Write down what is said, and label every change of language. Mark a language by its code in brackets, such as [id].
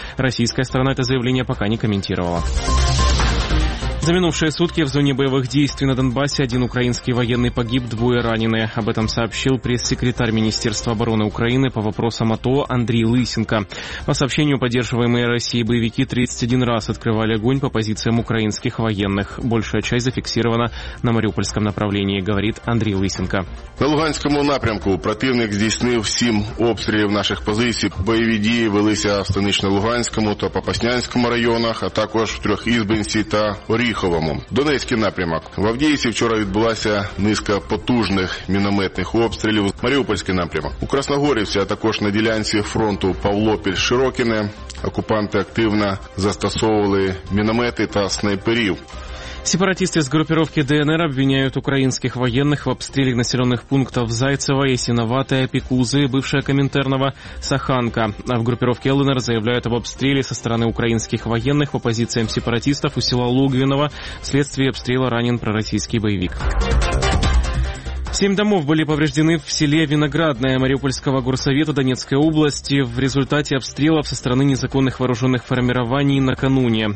[ru] Российская сторона это заявление пока не комментировала. За минувшие сутки в зоне боевых действий на Донбассе один украинский военный погиб, двое ранены. Об этом сообщил пресс-секретарь Министерства обороны Украины по вопросам АТО Андрей Лысенко. По сообщению, поддерживаемые Россией боевики 31 раз открывали огонь по позициям украинских военных. Большая часть зафиксирована на Мариупольском направлении, говорит Андрей Лысенко. [uk] На Луганському напрямку противник здійснив 7 обстрілів наших позицій. Бойові дії велися в Станично-Луганському та Попаснянському районах, а також в Трьохізбинці та Оріховому. Донецький напрямок. В Авдіївці вчора відбулася низка потужних мінометних обстрілів. Маріупольський напрямок. У Красногорівці, а також на ділянці фронту Павлопіль-Широкине окупанти активно застосовували міномети та снайперів. [ru] Сепаратисты из группировки ДНР обвиняют украинских военных в обстреле населенных пунктов Зайцево, Ясиноватое, Пекузы, бывшая Коминтерново, Саханка. А в группировке ЛНР заявляют об обстреле со стороны украинских военных по позициям сепаратистов у села Логвиново. Вследствие обстрела ранен пророссийский боевик. 7 домов были повреждены в селе Виноградное Мариупольского горсовета Донецкой области в результате обстрелов со стороны незаконных вооруженных формирований накануне.